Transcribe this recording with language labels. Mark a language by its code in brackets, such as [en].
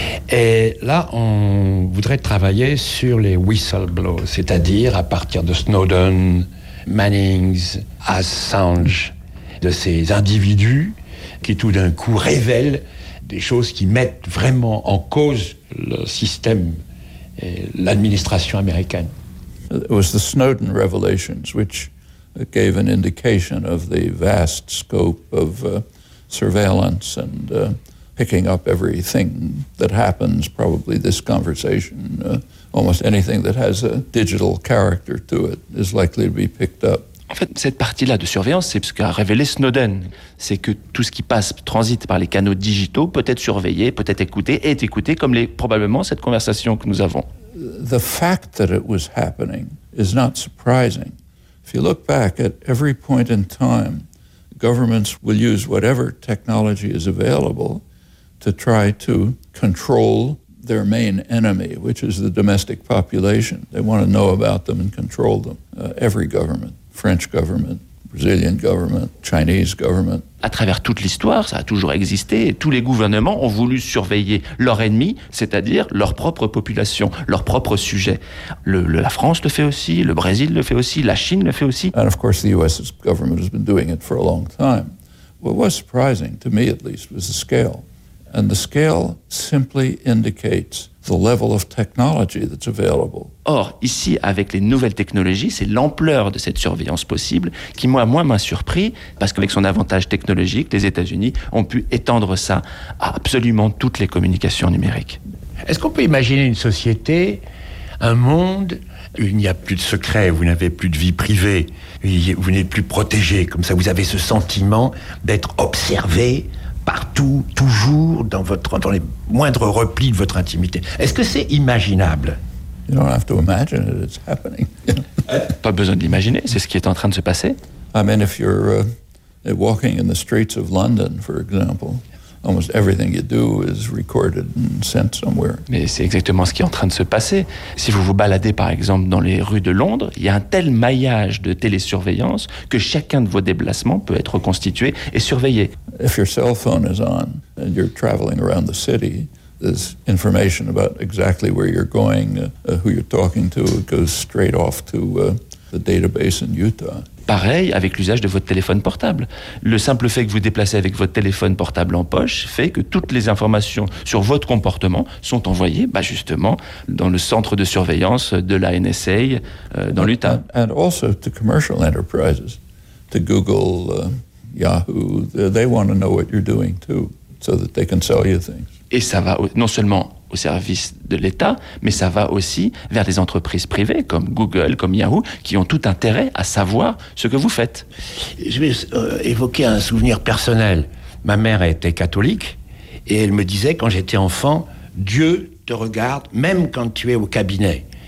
[fr] Et là, on voudrait travailler sur les whistleblowers, c'est-à-dire à partir de Snowden, Mannings, Assange, de ces individus qui tout d'un coup révèlent des choses qui mettent vraiment en cause le système et l'administration américaine. [en] It was the Snowden revelations which gave an indication of the vast scope of surveillance and picking up everything that happens, probably this conversation, almost anything that has a digital character to it is likely to be picked up. [fr] En fait, cette partie-là de surveillance, c'est ce qu'a révélé Snowden. C'est que tout ce qui passe, transite par les canaux digitaux, peut être surveillé, peut être écouté, est écouté, comme les, probablement cette conversation que nous avons. [en] The fact that it was happening is not surprising. If you look back at every point in time, governments will use whatever technology is available to try to control their main enemy, which is the domestic population. They want to know about them and control them. Every government, French government, Brazilian government, Chinese government. [fr] À travers toute l'histoire, ça a toujours existé. Tous les gouvernements ont voulu surveiller leur ennemi, c'est-à-dire leur propre population, leur propre sujet. La France le fait aussi, le Brésil le fait aussi, la Chine le fait aussi. [en] And of course, the U.S. government has been doing it for a long time. What was surprising, to me at least, was the scale. And the scale simply indicates the level of technology that's available. [fr] Or, ici, avec les nouvelles technologies, c'est l'ampleur de cette surveillance possible qui, moi, m'a surpris, parce qu'avec son avantage technologique, les États-Unis ont pu étendre ça à absolument toutes les communications numériques. Est-ce qu'on peut imaginer une société, un monde, où il n'y a plus de secrets, vous n'avez plus de vie privée, vous n'êtes plus protégé, comme ça vous avez ce sentiment d'être observé partout, toujours, dans les moindres replis de votre intimité. Est-ce que c'est imaginable? [en] You don't have to imagine it, it's happening. [fr] Pas besoin de l'imaginer, c'est ce qui est en train de se passer. [en] I mean, if you're walking in the streets of London, for example, almost everything you do is recorded and sent somewhere. [fr] Mais c'est exactement ce qui est en train de se passer. Si vous vous baladez, par exemple, dans les rues de Londres, il y a un tel maillage de télésurveillance que chacun de vos déplacements peut être reconstitué et surveillé. [en] If your cell phone is on and you're traveling around the city, there's information about exactly where you're going, who you're talking to. It goes straight off to the database in Utah. [fr] Pareil avec l'usage de votre téléphone portable. Le simple fait que vous déplacez avec votre téléphone portable en poche fait que toutes les informations sur votre comportement sont envoyées, bah justement, dans le centre de surveillance de la NSA dans l'Utah. [en] And also to commercial enterprises, to Google, Yahoo, they want to know what you're doing too, so that they can sell you things. [fr] Et ça va non seulement au service de l'État, mais ça va aussi vers des entreprises privées comme Google, comme Yahoo, qui ont tout intérêt à savoir ce que vous faites. Je vais évoquer un souvenir personnel. Ma mère était catholique et elle me disait quand j'étais enfant, Dieu te regarde même quand tu es au cabinet.